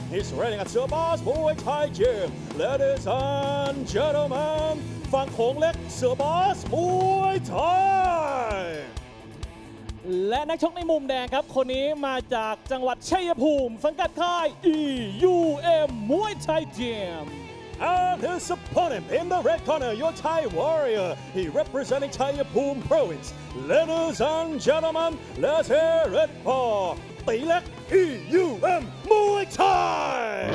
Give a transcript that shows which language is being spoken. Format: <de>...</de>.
<en>He's running at the Boss Muay Thai Gym. Ladies and gentlemen, ฝั่งโขงเล็กเสือบาส มวยไทย</en> <th>และนักชกในมุมแดงครับคนนี้มาจากจังหวัดชัยภูมิสังกัดค่าย EUM มวยไทยเจม</th> <en>And his opponent in the red corner, your Thai warrior. He representing Thai Phum province. Ladies and gentlemen, let's hear it for Tee Lek EUM Muay Thai.</en>